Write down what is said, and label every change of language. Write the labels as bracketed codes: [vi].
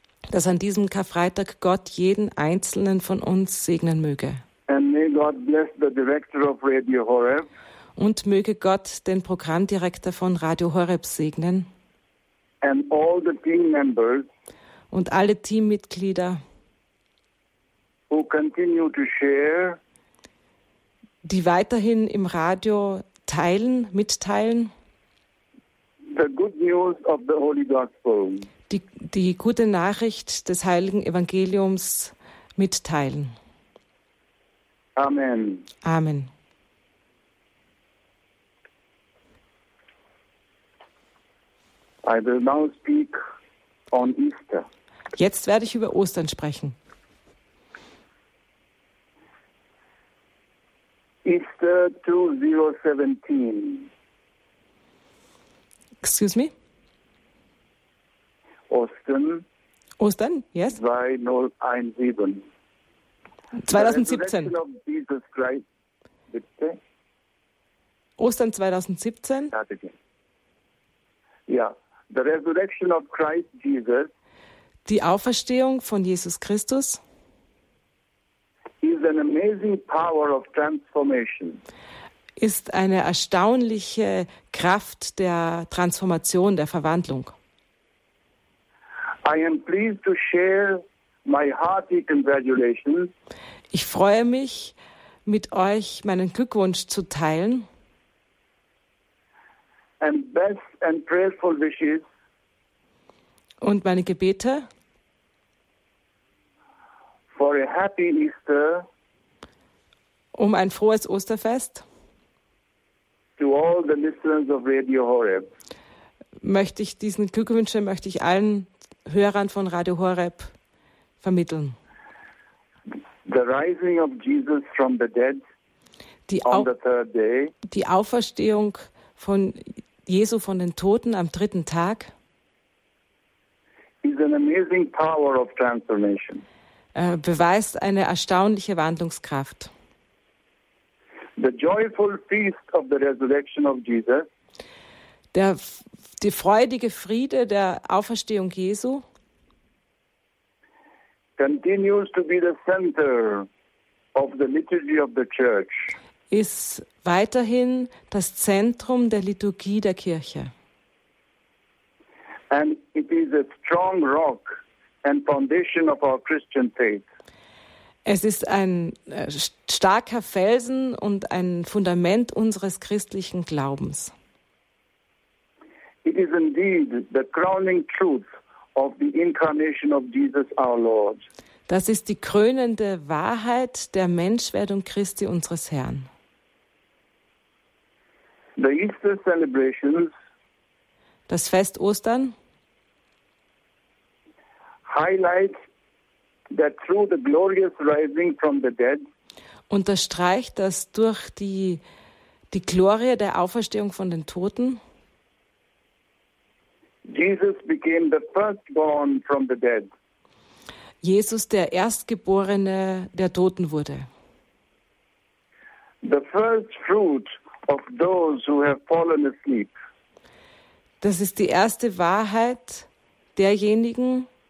[de] dass an diesem Karfreitag Gott jeden Einzelnen von uns segnen möge. [en] And may God bless the director of Radio Horeb. [de] Und möge Gott den Programmdirektor von Radio Horeb segnen. [en] And all the team members, [de] und alle Teammitglieder, [en] who continue to share, [de] die weiterhin im Radio teilen, mitteilen, [en] the good news of the Holy Gospel. [de] Die gute Nachricht des Heiligen Evangeliums mitteilen. [en] Amen. [de] Amen. [en] I will now speak on Easter. [de] Jetzt werde ich über Ostern sprechen. [en] Easter 2017. Excuse me? [de] Ostern. Ostern, [en] yes. 2017. [de] 2017. [en] The resurrection of Jesus Christ. [de] Bitte? Ostern 2017. [en] Start again. Yeah. The resurrection of Christ Jesus. [de] Die Auferstehung von Jesus Christus. [en] Is an amazing power of transformation. [de] Ist eine erstaunliche Kraft der Transformation, der Verwandlung. [en] I am pleased to share my hearty congratulations. [de] Ich freue mich, mit euch meinen Glückwunsch zu teilen. [en] And best and prayerful wishes. [de] Und meine Gebete. [en] For a happy Easter. [de] Um ein frohes Osterfest. [en] To all the listeners of Radio Horeb. [de] Möchte ich diesen Glückwünsche möchte ich allen Hörern von Radio Horeb vermitteln. [en] The rising of Jesus from the dead on the third day. [de] Die Auferstehung von Jesu von den Toten am dritten Tag. [en] Is an amazing power of transformation. [de] Beweist eine erstaunliche Wandlungskraft. [en] The joyful feast of the resurrection of Jesus. [de] Die freudige Friede der Auferstehung Jesu. [en] Continues to be the center of the liturgy of the church. [de] Ist weiterhin das Zentrum der Liturgie der Kirche. [en] And it is a strong rock and foundation of our Christian faith. [de] Es ist ein starker Felsen und ein Fundament unseres christlichen Glaubens. [en] It is indeed the crowning truth of the incarnation of Jesus our Lord. [de] Das ist die krönende Wahrheit der Menschwerdung Christi unseres Herrn. [en] The Easter celebrations. [de] Das Fest Ostern. [en] Highlights. That through the glorious rising from the dead, [de] unterstreicht, dass durch die Glorie der Auferstehung von den Toten [en] Jesus became the firstborn from the dead. [de] Jesus der Erstgeborene der Toten wurde. [en] The first fruit of those who have fallen asleep. [de] Das ist die erste Wahrheit derjenigen.